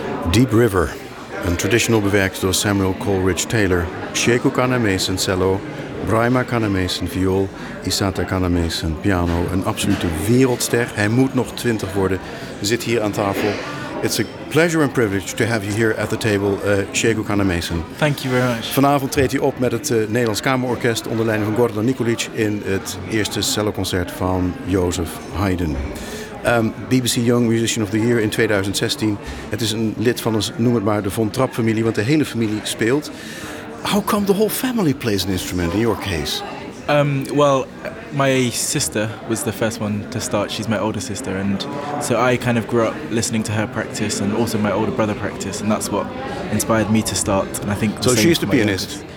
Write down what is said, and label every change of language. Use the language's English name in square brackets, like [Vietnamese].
[Dutch] Deep River, een traditional bewerkt door Samuel Coleridge Taylor, Sheku Kanamesen cello, Braima Kanamesen viool, Isata Kanamesen piano. Een absolute wereldster. Hij moet nog 20 worden. Zit hier aan tafel. [English] It's a pleasure and privilege to have you here at the table, Sheku Kanamesen. Thank you very much. [Dutch] Vanavond treedt hij op met het Nederlands Kamerorkest onder leiding van Gordon Nikolic in het eerste celloconcert van Jozef Haydn. BBC Young Musician of the Year in 2016. Het is een lid van ons, noem het maar, de Von Trapp-familie, want de hele familie speelt. [English] How come the whole family plays an instrument in your case? Well, my sister was the first one to start. She's my older sister. And so I kind of grew up listening to her practice and also my older brother practice. And that's what inspired me to start. And I think so she's the pianist?